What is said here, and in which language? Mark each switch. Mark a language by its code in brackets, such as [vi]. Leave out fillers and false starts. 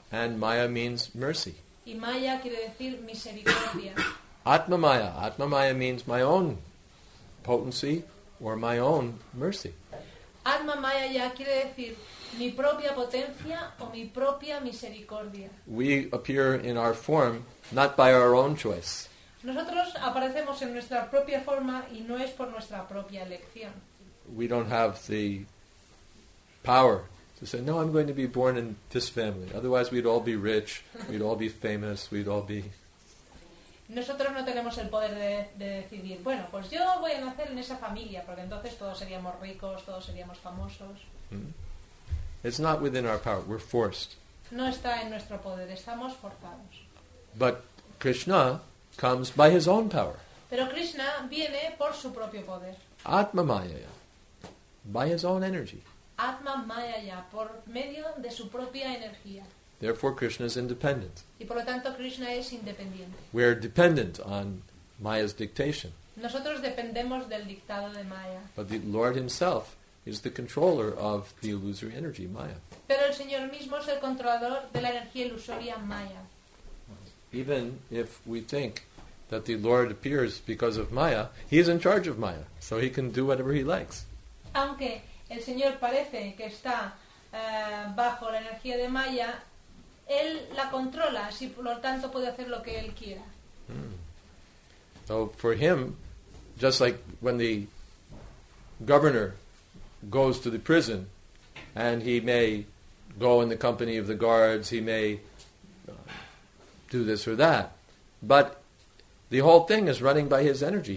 [en] And Maya means mercy. [es] Y Maya quiere decir misericordia. [en] Atma Maya. Atma Maya means my own potency or my own mercy. [es] Atma Maya ya quiere decir mi propia potencia o mi propia misericordia. [en] We appear in our form not by our own choice. [es] Nosotros aparecemos en nuestra propia forma y no es por nuestra propia elección. [en] We don't have the power to say, no, I'm going to be born in this family. Otherwise we'd all be rich, we'd all be famous, we'd all be... [es] Nosotros no tenemos el poder de decidir, bueno, pues yo voy a nacer en esa familia, porque entonces todos seríamos ricos, todos seríamos famosos. [en] It's not within our power, we're forced. [es] No está en nuestro poder, estamos forzados. [en] But Krishna comes by his own power. [es] Pero Krishna viene por su propio poder. [en] Atma Maya, by his own energy. [es] Atma Maya, por medio de su propia energía. [en] Therefore, Krishna is independent. [es] Y por lo tanto, Krishna es independiente. [en] We are dependent on Maya's dictation. [es] Nosotros dependemos del dictado de Maya. [en] But the Lord himself is the controller of the illusory energy, Maya. [es] Pero el Señor mismo es el controlador de la energía ilusoria, Maya. [en] Even if we think that the Lord appears because of Maya, he is in charge of Maya, so he can do whatever he likes. [es] Aunque el Señor parece que está bajo la energía de Maya, él la controla, así por lo tanto puede hacer lo que él quiera. [en] So for him, just like when the governor goes to the prison, and he may go in the company of the guards, he may do this or that, but the whole thing is running by his energy.